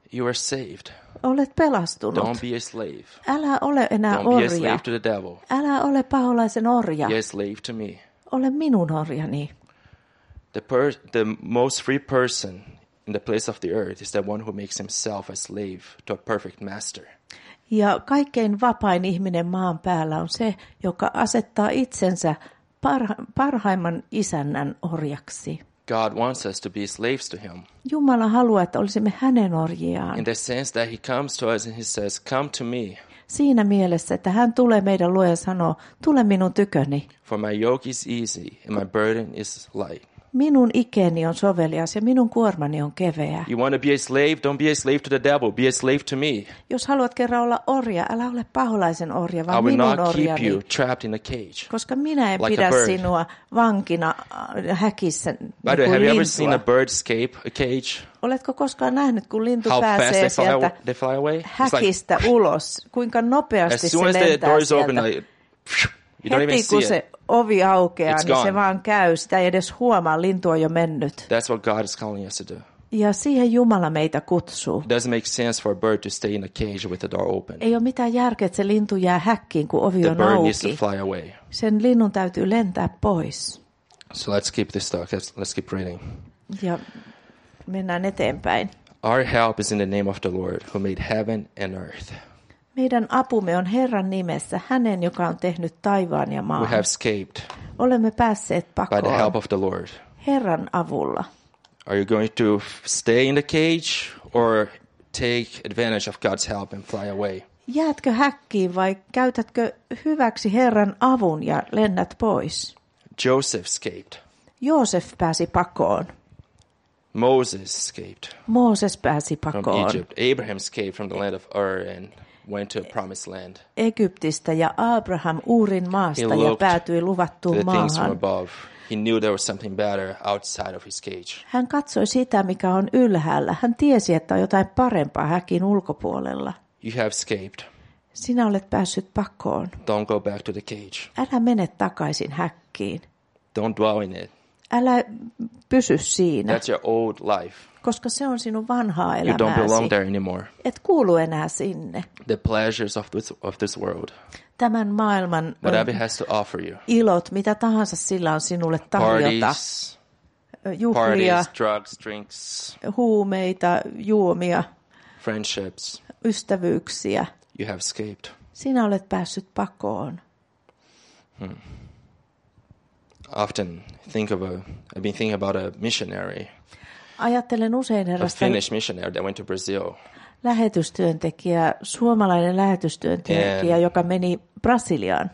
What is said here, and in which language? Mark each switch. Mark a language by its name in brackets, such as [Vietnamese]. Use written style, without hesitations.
[English] You are saved. [Finnish] Olet pelastunut. [English] Don't be a slave. [Finnish] Älä ole enää [English] Don't [Finnish] orja. [English] Be a slave to the devil. [Finnish] Älä ole paholaisen orja. [English] Be a slave to me. [Finnish] Ole minun orjani. [English] The most free person in the place of the earth is the one who makes himself a slave to a perfect master. [Finnish] Ja kaikkein vapain ihminen maan päällä on se, joka asettaa itsensä parhaimman isännän orjaksi. [English] God wants us to be slaves to him. [Finnish] Jumala haluaa, että olisimme hänen orjiaan. [English] In the sense that he comes to us and he says, come to me. [Finnish] Siinä mielessä, että hän tulee meidän luo ja sanoo, tule minun tyköni. [English] For my yoke is easy and my burden is light. [Finnish] Minun ikeni on sovelias ja minun kuormani on keveä. [English] You want to be a slave? Don't be a slave to the devil. Be a slave to me. [Finnish] Jos haluat kerran olla orja, älä ole paholaisen orja, vaan minun orjani. [English] I will not keep you trapped in a cage. [Finnish] Koska minä en pidä sinua vankina häkissä. [English] By the way, have you ever seen a bird escape a cage? [Finnish] Oletko koskaan nähnyt, kun lintu pääsee sieltä häkistä ulos? Kuinka nopeasti se lentää sieltä? [English] As soon as the doors open, like, you don't even see it. [Finnish] Heti kun se ovi aukeaa, niin se vaan käy. Sitä ei edes huomaa. Lintu on jo mennyt. [English] That's what God is calling us to do. [Finnish] Ja siihen Jumala meitä kutsuu. [English] It doesn't make sense for a bird to stay in a cage with the door open. [Finnish] Ei ole mitään järkeä, että se lintu jää häkkiin, kun ovi on auki. [English] The bird needs to fly away. [Finnish] Sen linnun täytyy lentää pois. [English] So let's keep this talk. Let's keep reading. [Finnish] Ja mennään eteenpäin. [English] Our help is in the name of the Lord, who made heaven and earth. [Finnish] Meidän apumme on Herran nimessä, hänen, joka on tehnyt taivaan ja maan. [English] We have escaped. [Finnish] Olemme päässeet pakoon. [English] By the help of the Lord. [Finnish] Herran avulla. [English] Are you going to stay in the cage or take advantage of God's help and fly away? [Finnish] Jäätkö häkkiin vai käytätkö hyväksi Herran avun ja lennät pois? [English] Joseph escaped. [Finnish] Joosef pääsi pakoon. [English] Moses escaped. [Finnish] Mooses pääsi pakoon. [English] From Egypt. Abraham escaped from the land of Ur and went to a promised land. [Finnish] Egyptistä ja Abraham Uurin maasta ja päätyi luvattuun maahan. [English] He looked to the things from above. He knew there was something better outside of his cage. [Finnish] Hän katsoi sitä, mikä on ylhäällä. Hän tiesi, että on jotain parempaa häkin ulkopuolella. [English] You have escaped. [Finnish] Sinä olet päässyt pakoon. [English] Don't go back to the cage. [Finnish] Älä mene takaisin häkkiin. [English] Don't dwell in it. [Finnish] älä pysy siinä. [English] That's your old life. [Finnish] Koska se on sinun vanhaa elämääsi. [English] You don't belong there anymore. [Finnish] Et kuulu enää sinne. [English] The pleasures of this world. [Finnish] Tämän maailman [English] whatever has to offer you. [Finnish] Ilot, mitä tahansa sillä on sinulle tarjota. Juhlia, [English] parties, drugs, drinks, [Finnish] huumeita, juomia, [English] friendships, [Finnish] ystävyyksiä. [English] You have escaped. [Finnish] Sinä olet päässyt pakoon. [English] Often think of I've been thinking about a missionary. [Finnish] Ajattelen usein herrasta. [English] A Finnish missionary that went to Brazil. [Finnish] Lähetystyöntekijä, suomalainen lähetystyöntekijä, and joka meni Brasiliaan.